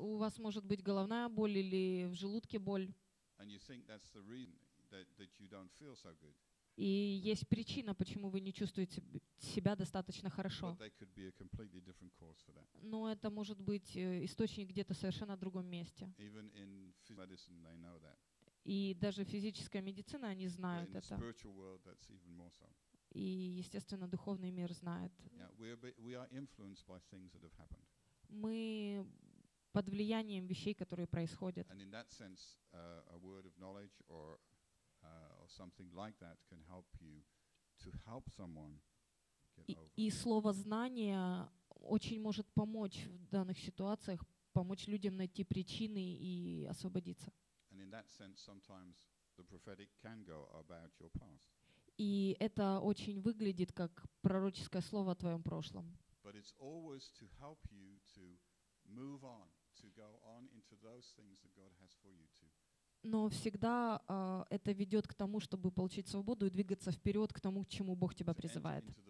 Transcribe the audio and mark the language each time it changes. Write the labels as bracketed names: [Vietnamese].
[Russian] у вас может быть головная боль или в желудке боль. [English] And you think that's the reason that you don't feel so good. [Russian] И есть причина, почему вы не чувствуете себя достаточно хорошо. [English] But there could be a completely different cause for that. [Russian] Но это может быть источник где-то совершенно в другом месте. [English] Even in physical medicine, they know that. [Russian] И даже физическая медицина, они знают это. [English] Spiritual world, that's even more so. [Russian] И, естественно, духовный мир знает. [English] Yeah, we are influenced by things that have happened. [Russian] Мы под влиянием вещей, которые происходят. [English] And in that sense, a word of knowledge or something like that can help you to help someone get over. [Russian] И слово знание очень может помочь в данных ситуациях, помочь людям найти причины и освободиться. [English] And in that sense, sometimes the prophetic can go about your past. [Russian] И это очень выглядит как пророческое слово о твоем прошлом. [English] But it's always to help you to move on, to go on into those things that God has for you to. [Russian] Но всегда это ведет к тому, чтобы получить свободу и двигаться вперед к тому, к чему Бог тебя призывает.